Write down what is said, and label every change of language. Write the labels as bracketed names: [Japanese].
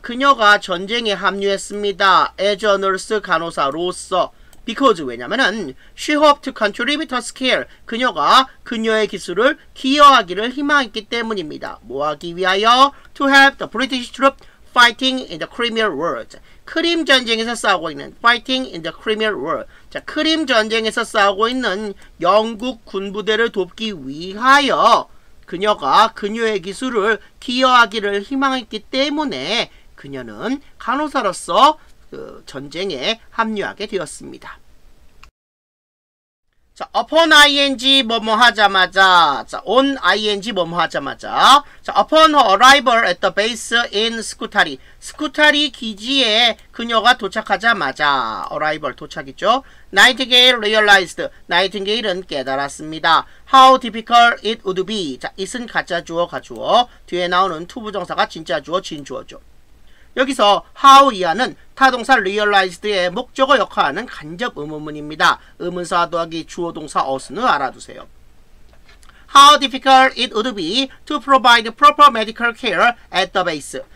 [Korean] 그녀가 전쟁에 합류했습니다. [English] as a nurse, 간호사로서. Because, 왜냐면은, she hoped to contribute her skill. [Korean] 그녀가 그녀의 기술을 기여하기를 희망했기 때문입니다. 뭐 하기 위하여? [English] To help the British troops fighting in the Crimean War. [Korean] 자, 크림 전쟁에서 싸우고 있는, [English] fighting in the Crimean War. [Korean] 자, 크림 전쟁에서 싸우고 있는 영국 군부대를 돕기 위하여 그녀가 그녀의 기술을 기여하기를 희망했기 때문에 그녀는 간호사로서 전쟁에 합류하게 되었습니다. 자, upon ing 뭐뭐 하자마자, 자, on ing 뭐뭐 하자마자, 자, [English] upon her arrival at the base in Scutari, [Korean] Scutari 기지에 그녀가 도착하자마자, arrival 도착이죠. Nightingale realized, Nightingale은 깨달았습니다. [English] How difficult it would be, [Korean] 자, it은 가짜 주어 가주어, 뒤에 나오는 to 부정사가 진짜 주어 진주어죠. 여기서 how 이하는 타동사 realized의 목적어 역할하는 간접 의문문입니다. 의문사 더하기 주어 동사 어순을 알아두세요. [English] How difficult it would be to provide proper medical care at the base.